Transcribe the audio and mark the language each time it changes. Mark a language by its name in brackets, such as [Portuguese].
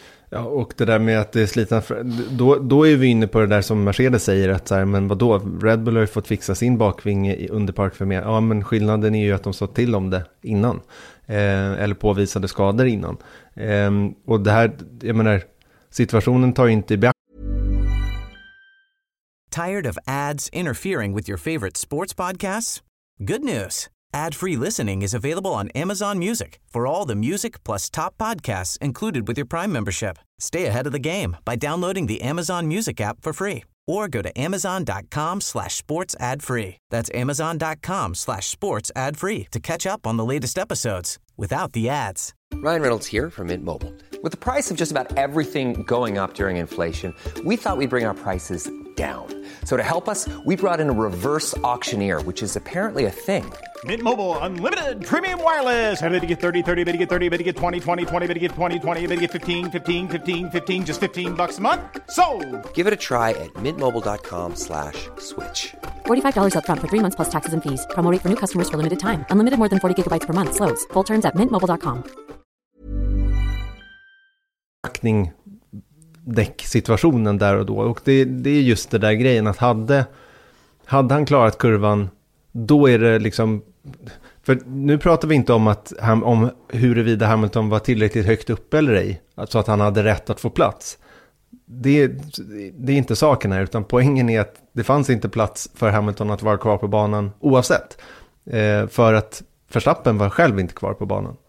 [Swedish] Ja, och det där med att det är slitna, då är vi inne på det där som Mercedes säger, att så här, men vadå, Red Bull har ju fått fixa sin bakvinge under Park för mer. Ja, men skillnaden är ju att de sa till om det innan, eller påvisade skador innan. Och det här, jag menar, situationen tar ju inte i beaktning. [English] Tired of ads interfering with your favorite sports podcasts? Good news. Ad-free listening is available on Amazon Music for all the music plus top podcasts included with your Prime membership. Stay ahead of the game by downloading the Amazon Music app for free, or go to amazon.com/sportsadfree. That's amazon.com/sportsadfree to catch up on the latest episodes without the ads. Ryan Reynolds here from Mint Mobile. With the price of just about everything going up during inflation, we thought we'd bring our prices down. So to help us, we brought in a reverse auctioneer, which is apparently a thing. Mint Mobile Unlimited Premium Wireless. How to get 30, 30, how to get 30, how to get 20, 20, 20, how to get 20, 20, how to get 15, 15, 15, 15, just $15 a month? Sold! Give it a try at mintmobile.com/switch. $45 up front for 3 months plus taxes and fees. Promo rate for new customers for limited time. Unlimited more than 40 gigabytes per month. Slows full terms at mintmobile.com. [Swedish] Däcksituationen där och då, och det är just det där grejen, att hade han klarat kurvan, då är det liksom, för nu pratar vi inte om att om huruvida Hamilton var tillräckligt högt upp eller ej, alltså att han hade rätt att få plats, det är inte saken här, utan poängen är att det fanns inte plats för Hamilton att vara kvar på banan oavsett, för att Verstappen var själv inte kvar på banan.